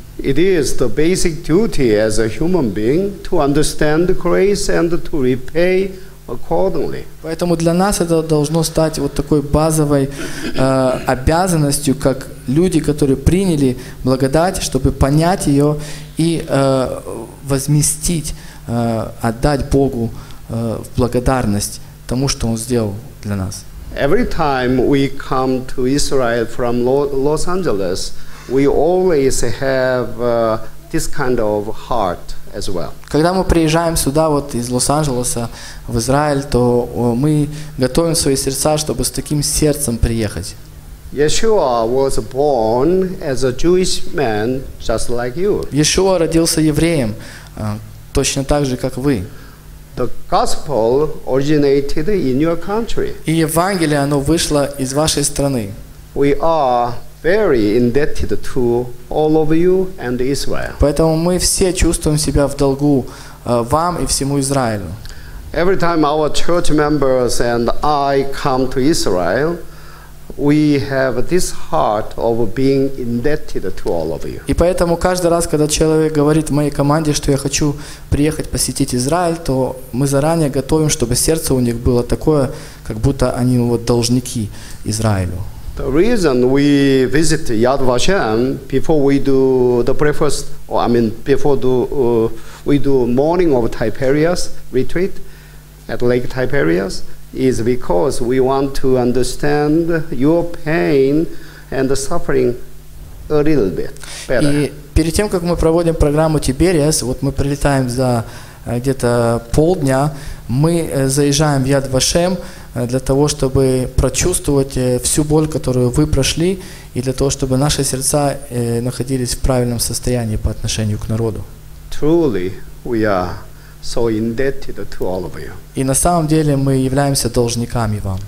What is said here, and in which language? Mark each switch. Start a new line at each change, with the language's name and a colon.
English: It is the basic duty as a human being to understand the grace and to repay accordingly.
Russian: Поэтому для нас это должно стать вот такой базовой обязанностью, как люди, которые приняли благодать, чтобы понять ее и возместить, отдать Богу в благодарность тому, что Он сделал для нас.
English: Every time we come to Israel from Los Angeles, we always have this kind of heart as well.
Russian: Когда мы приезжаем сюда вот из Лос-Анджелеса в Израиль, то мы готовим свои сердца, чтобы с таким сердцем приехать.
English: Yeshua was born as a Jewish man, just like you.
Russian: Yeshua родился евреем, точно так же, как вы.
English: The gospel originated in your country.
Russian: И Евангелие, оно вышло из вашей страны.
English: We are very indebted to all of you and Israel.
Russian: Поэтому мы все чувствуем себя в долгу вам и всему Израилю.
English: Every time our church members and I come to Israel, we have this heart of being indebted to all of you.
Russian: И поэтому каждый раз, когда человек говорит в моей команде, что я хочу приехать посетить Израиль, то мы заранее готовим, чтобы сердце у них было такое, как будто они вот должники Израилю.
English: The reason we visit Yad Vashem before we do the breakfast, or I mean before do we do morning of Tiberias retreat at Lake Tiberias is because we want to understand your pain and the suffering a little bit better.
Russian: И перед тем, как мы проводим программу Тиберias, вот мы прилетаем за где-то полдня, мы заезжаем в Яд Вашем для того, чтобы прочувствовать всю боль, которую вы прошли, и для того, чтобы наши сердца находились в правильном состоянии по отношению к народу.
English: Truly, we are so indebted to all of you.
Russian: И на самом деле мы являемся должниками вам.